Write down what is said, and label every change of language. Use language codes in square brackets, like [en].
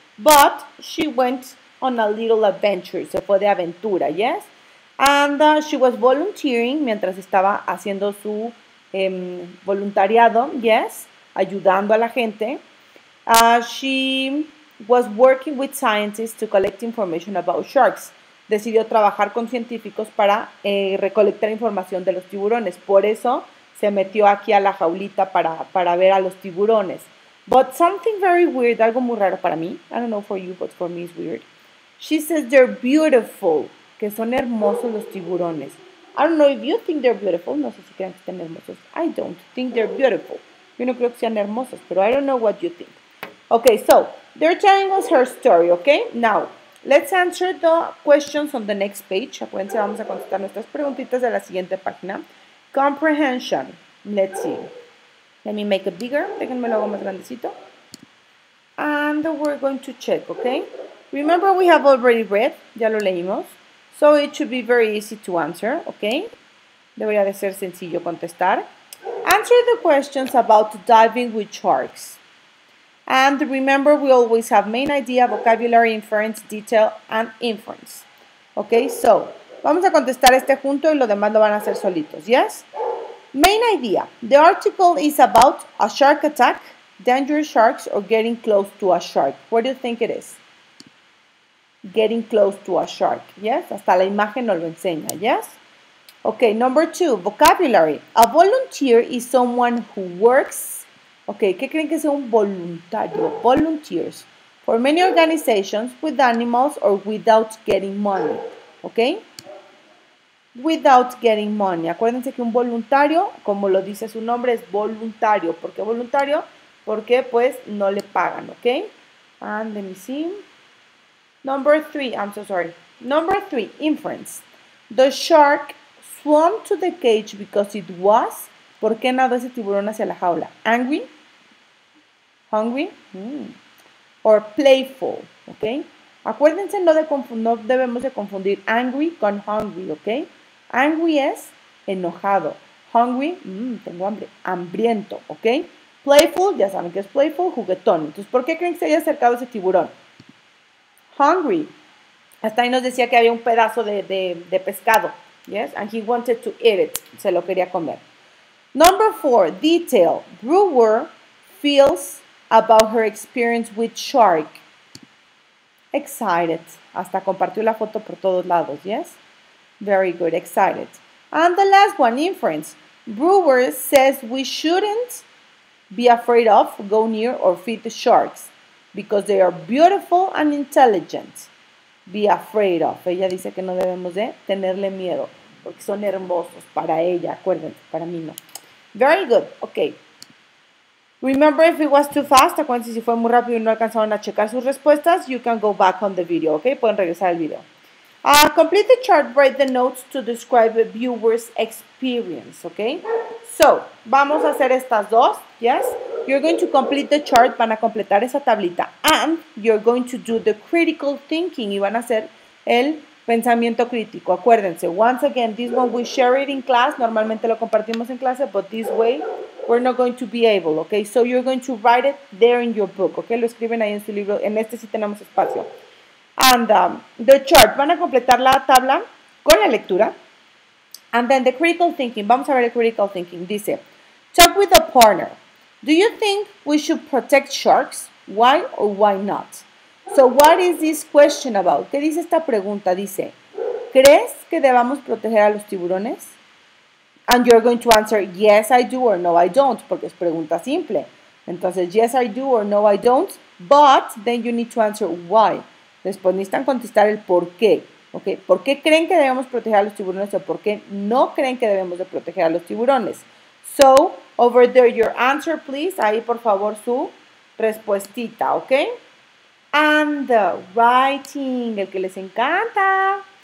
[en] But she went on a little adventure, [es] se fue de aventura, [en] yes? And she was volunteering, [es] mientras estaba haciendo su voluntariado, [en] yes? [es] Ayudando a la gente. [en] She was working with scientists to collect information about sharks. [es] Decidió trabajar con científicos para recolectar información de los tiburones. Por eso se metió aquí a la jaulita para ver a los tiburones. [en] But something very weird, [es] algo muy raro para mí, [en] I don't know for you, but for me it's weird. She says they're beautiful, [es] que son hermosos los tiburones. [en] I don't know if you think they're beautiful, [es] no sé si crean que estén hermosos. [en] I don't think they're beautiful. [es] Yo no creo que sean hermosos, pero [en] I don't know what you think. Okay, so, they're telling us her story, okay? Now, let's answer the questions on the next page. [es] Acuérdense, vamos a contestar nuestras preguntitas de la siguiente página. [en] Comprehension, let's see. Let me make it bigger. [es] Déjenme lo hago más grandecito. [en] And we're going to check, okay? Remember, we have already read. [es] Ya lo leímos. [en] So it should be very easy to answer, okay? [es] Debería de ser sencillo contestar. [en] Answer the questions about diving with sharks. And remember, we always have main idea, vocabulary, inference, detail, and inference. Okay, so vamos a contestar este junto y lo demás lo van a hacer solitos, yes? Main idea. The article is about a shark attack, dangerous sharks, or getting close to a shark. What do you think it is? getting close to a shark. Yes, [es] hasta la imagen nos lo enseña. [en] Yes. Okay, number two, vocabulary. A volunteer is someone who works. [es] Okay, ¿qué creen que sea un voluntario? Volunteers. [en] For many organizations, with animals or without getting money. Okay? Without getting money. [es] Acuérdense que un voluntario, como lo dice su nombre, es voluntario. ¿Por qué voluntario? Porque, pues, no le pagan. [en] Okay? And let me see. Number three. I'm so sorry. Number three, inference. The shark swam to the cage because it was... [es] ¿Por qué nadó ese tiburón hacia la jaula? [en] Angry? Hungry? Or playful, okay? [es] Acuérdense, no debemos de confundir angry con hungry, okay? Angry es enojado. Hungry, tengo hambre, hambriento, okay? Playful, ya saben que es playful, juguetón. Entonces, ¿por qué creen que se haya acercado ese tiburón? Hungry. Hasta ahí nos decía que había un pedazo de pescado, yes? [en] And he wanted to eat it, [es] se lo quería comer. [en] Number four, detail. Brewer feels about her experience with shark. Excited. [es] Hasta compartió la foto por todos lados, yes? [en] Very good, excited. And the last one, inference. Brewer says we shouldn't be afraid of, go near, or feed the sharks because they are beautiful and intelligent. Be afraid of. [es] Ella dice que no debemos de tenerle miedo porque son hermosos para ella, acuérdense, para mí no. [en] Very good, okay. Remember if it was too fast, [es] acuérdense si fue muy rápido y no alcanzaron a checar sus respuestas, [en] you can go back on the video, okay? [es] Pueden regresar al video. [en] Complete the chart, write the notes to describe a viewer's experience, okay? So, [es] vamos a hacer estas dos, [en] yes? You're going to complete the chart, [es] van a completar esa tablita, [en] and you're going to do the critical thinking, [es] y van a hacer el pensamiento crítico. [en] Acuérdense, once again, this one we share it in class, [es] normalmente lo compartimos en clase, [en] but this way we're not going to be able, okay? So you're going to write it there in your book, okay? [es] Lo escriben ahí en su libro, en este sí tenemos espacio. [en] And the chart, [es] van a completar la tabla con la lectura. [en] And then the critical thinking, [es] vamos a ver el [en] critical thinking. Dice, talk with a partner. Do you think we should protect sharks? Why or why not? So what is this question about? [es] ¿Qué dice esta pregunta? Dice, ¿crees que debamos proteger a los tiburones? [en] And you're going to answer, yes, I do or no, I don't, [es] porque es pregunta simple. [en] Entonces, yes, I do or no, I don't, but then you need to answer why. [es] Después necesitan contestar el por qué, ¿ok? ¿Por qué creen que debemos proteger a los tiburones o por qué no creen que debemos de proteger a los tiburones? [en] So, over there, your answer, please. [es] Ahí, por favor, su respuestita, [en] ¿ok? And the writing, [es] el que les encanta.